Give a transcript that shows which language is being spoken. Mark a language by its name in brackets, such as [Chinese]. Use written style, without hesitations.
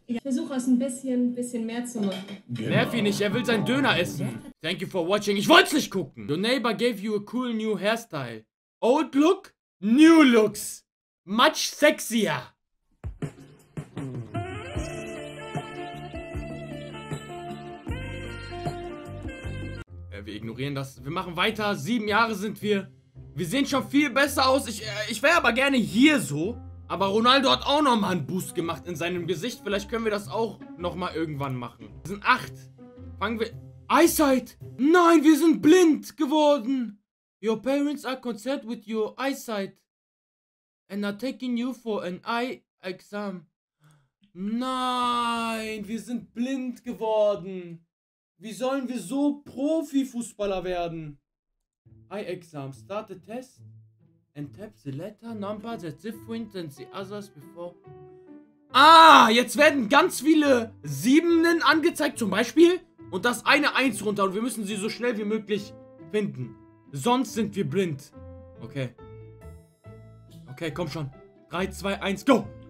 [German] Ich versuche es ein bisschen mehr zu machen. Genau. Nerv ihn nicht. Er will seinen Döner essen. [English] Thank you for watching. [German] Ich wollte es nicht gucken. [English] Your neighbor gave you a cool new hairstyle. Old look, new looks. Much sexier. [German] Wir ignorieren das. Wir machen weiter. 7 Jahre sind wir. Wir sehen schon viel besser aus. Ich wäre aber gerne hier so. Aber Ronaldo hat auch nochmal einen Boost gemacht in seinem Gesicht. Vielleicht können wir das auch nochmal irgendwann machen. Wir sind 8. Fangen wir... Eyesight! Nein, wir sind blind geworden. [English] Your parents are concerned with your eyesight. And are taking you for an eye exam. [German] Nein, wir sind blind geworden. Wie sollen wir so Profifußballer werden? [English] Eye exam, start the test and tap the letter number that's different than the others before. [German] Ah, jetzt werden ganz viele Siebenen angezeigt zum Beispiel und das eine 1 runter und wir müssen sie so schnell wie möglich finden. Sonst sind wir blind. Okay. Okay, komm schon. 3, 2, 1, go!